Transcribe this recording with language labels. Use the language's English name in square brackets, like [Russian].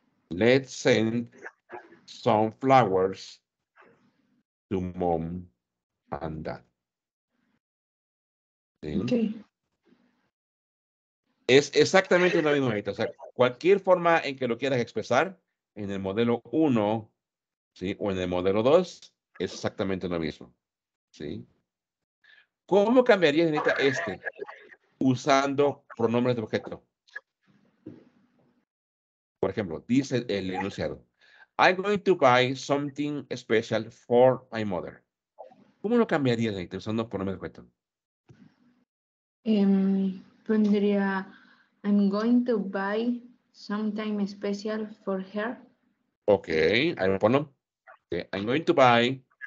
[English] Let's send some flowers to mom and dad. [Spanish] ¿Sí? Okay. Es exactamente la misma manera. O sea, cualquier forma en que lo quieras expresar en el modelo 1, ¿sí? O en el modelo 2, es exactamente lo mismo. ¿Sí? ¿Cómo cambiaría, Anita, este usando pronombres de objeto? Por ejemplo, dice el enunciado. [English] I'm going to buy something special for my mother. [Spanish] ¿Cómo lo cambiaría, Anita, usando pronombres de objeto? Pondría, [English] I'm going to buy something special for her. [Spanish] Ok, ahí me pongo. [English] Okay. I'm going to buy